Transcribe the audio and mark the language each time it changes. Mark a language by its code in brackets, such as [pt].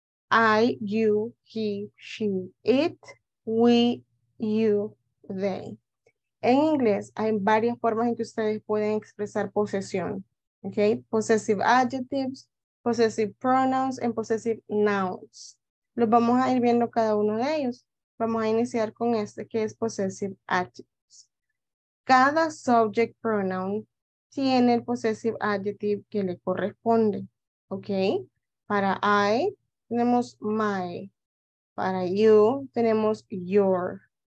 [en] I, you, he, she, it, we, you, they. [es] En inglés hay varias formas en que ustedes pueden expresar posesión. [en] Okay, possessive adjectives, possessive pronouns, and possessive nouns. [es] Los vamos a ir viendo cada uno de ellos. Vamos a iniciar con este que es possessive adjectives. Cada subject pronoun tiene el possessive adjective que le corresponde. Ok. Para I tenemos my. Para you tenemos your.